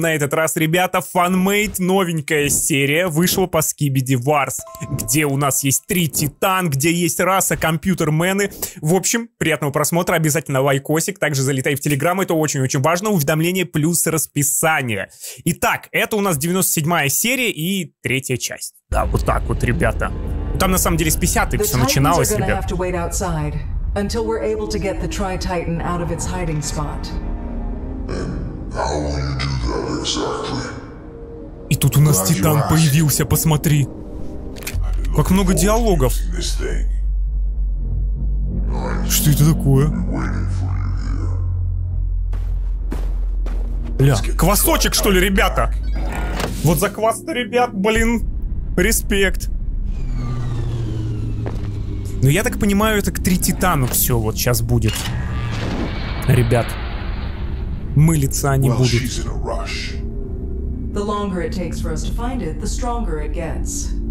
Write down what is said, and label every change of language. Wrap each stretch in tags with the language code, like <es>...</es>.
<ru>На этот раз, ребята, фанмейт, новенькая серия вышла по Скибиди Варс, где у нас есть три титан, где есть раса компьютермены. В общем, приятного просмотра, обязательно лайкосик, также залетай в Телеграм, это очень-очень важно, уведомление плюс расписание. Итак, это у нас 97-я серия и третья часть. Да, вот так вот, ребята. Там, на самом деле, с 50-й все начиналось, ребят.</ru> <en>Until we're able to get the Tri-Titan out of its hiding spot. And how will you do that exactly?</en> <ru>И тут у нас Титан появился, посмотри. Как много диалогов. Что это такое? Ля, квасочек, что ли, ребята? Вот за квас-то, ребят, блин. Респект. Ну, я так понимаю, это к три титану все вот сейчас будет. Ребят. Мылиться они будут.</ru> <en>The longer it takes for us to find it, the stronger it gets.</en>